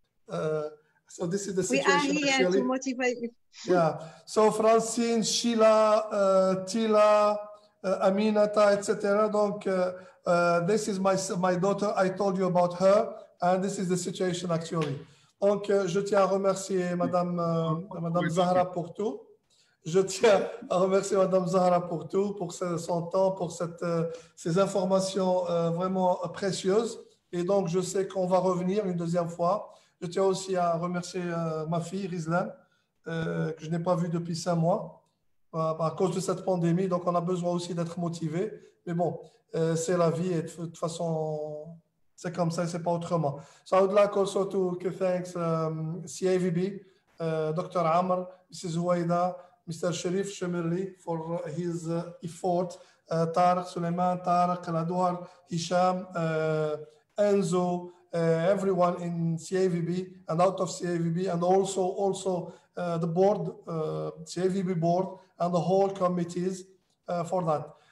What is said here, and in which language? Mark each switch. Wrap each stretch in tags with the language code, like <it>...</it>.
<en>So this is the situation. We are here actually. To motivate you. Yeah. So Francine, Sheila, Tila, Aminata, etc. This is my daughter. I told you about her, and this is the situation actually.</en> <fr>Donc, je tiens à remercier Madame Zahra pour tout. Je tiens à remercier Madame Zahra pour tout, pour son temps, pour ces informations vraiment précieuses. Et donc, je sais qu'on va revenir une deuxième fois. Je tiens aussi à remercier ma fille, Ghislain, que je n'ai pas vue depuis 5 mois à cause de cette pandémie. Donc, on a besoin aussi d'être motivé. Mais bon, c'est la vie et de toute façon, c'est comme ça et ce n'est pas autrement.</fr> <en>So, I would like also to thank CAVB, Dr. Amr, Mrs. Huwaida, Mr. Sharif Shemirli for his effort, Tariq Suleiman, Tariq Al-Adwar, Hisham, Enzo, everyone in CAVB and out of CAVB, and also the board, CAVB board, and the whole committees for that.</en>